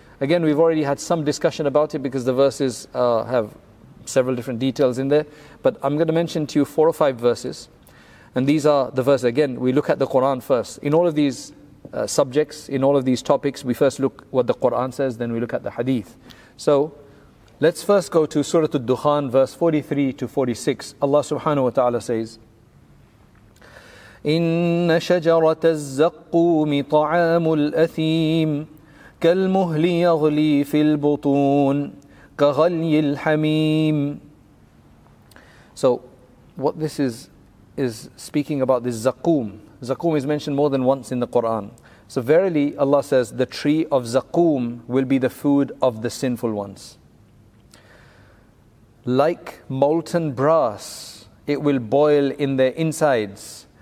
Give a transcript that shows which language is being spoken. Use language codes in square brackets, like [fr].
[en] Again, we've already had some discussion about it because the verses have several different details in there. But I'm going to mention to you 4 or 5 verses. And these are the verses. Again, we look at the Quran first. In all of these subjects, in all of these topics, we first look what the Quran says, then we look at the hadith. So let's first go to Surah Ad-Dukhan, verse 43 to 46. Allah subhanahu wa ta'ala says, [ar] إن شجرة الزقوم طعام الأثيم كالمهل يغلي في البطون كغلي الحميم. [en] So what this is speaking about, this zakum. Zakum is mentioned more than once in the Quran. So verily, Allah says, the tree of Zaqoom will be the food of the sinful ones. Like molten brass, it will boil in their insides.